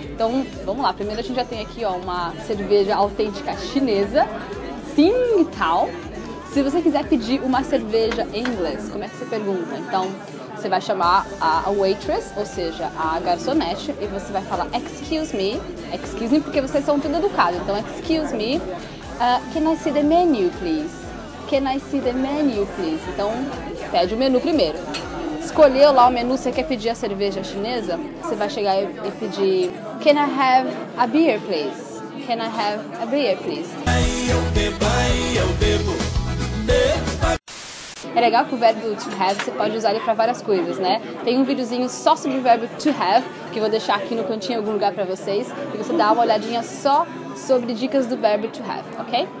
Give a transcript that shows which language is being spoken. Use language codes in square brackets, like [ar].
[pt] Então vamos lá, primeiro a gente já tem aqui, ó, uma cerveja autêntica chinesa, Tsingtao. Se você quiser pedir uma cerveja em inglês, como é que você pergunta? Então você vai chamar a waitress, ou seja, a garçonete, e você vai falar [en] excuse me. Excuse me, [pt] porque vocês são tudo educados. Então, [en] excuse me. Can I see the menu, please? Can I see the menu, please? [pt] Então, pede o menu primeiro. Escolheu lá o menu, você quer pedir a cerveja chinesa? Você vai chegar e pedir [en] can I have a beer, please? Can I have a beer, please? [pt] É legal que o verbo to have você pode usar ele para várias coisas, né? Tem um videozinho só sobre o verbo to have, que eu vou deixar aqui no cantinho em algum lugar para vocês, e você dá uma olhadinha só sobre dicas do verbo to have, ok?